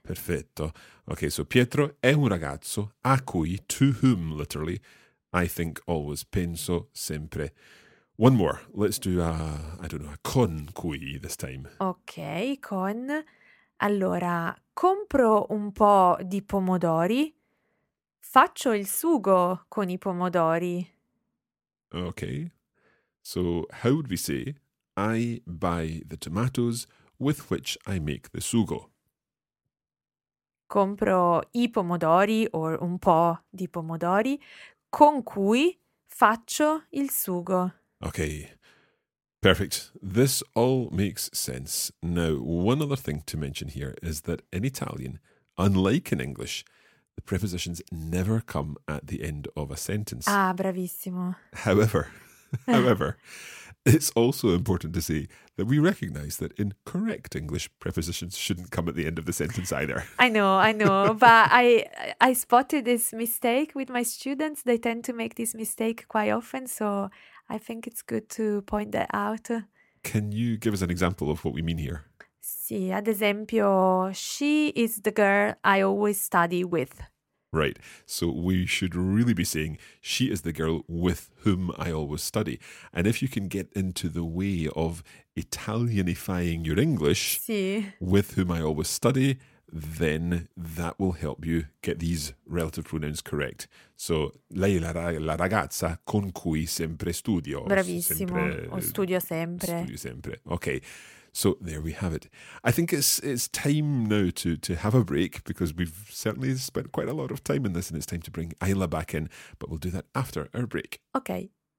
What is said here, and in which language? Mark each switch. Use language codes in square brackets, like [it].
[it] Perfetto. [en] Ok, so [it] Pietro è un ragazzo a cui, [en] to whom, literally, I think always, [it] penso sempre. [en] One more. Let's do a con cui this time. Ok, con. [it] Allora, compro un po' di pomodori, faccio il sugo con i pomodori. Ok. [en] So, how would we say, I buy the tomatoes with which I make the sugo? [it] Compro i pomodori, or un po' di pomodori, con cui faccio il sugo. [en] Okay, perfect. This all makes sense. Now, one other thing to mention here is that in Italian, unlike in English, the prepositions never come at the end of a sentence. [it] Ah, bravissimo. [en] However, it's also important to say that we recognize that in correct English, prepositions shouldn't come at the end of the sentence either. I know. But I spotted this mistake with my students. They tend to make this mistake quite often. So I think it's good to point that out. Can you give us an example of what we mean here? [it] Sì, ad esempio, [en] she is the girl I always study with. Right. So we should really be saying, she is the girl with whom I always study. And if you can get into the way of Italianifying your English, [it] sì, [en] with whom I always study, then that will help you get these relative pronouns correct. [it] So, lei è la ragazza con cui sempre studio. Bravissimo. Studio sempre. [en] Okay. So there we have it. I think it's time now to have a break, because we've certainly spent quite a lot of time in this, and it's time to bring Ayla back in. But we'll do that after our break. Okay.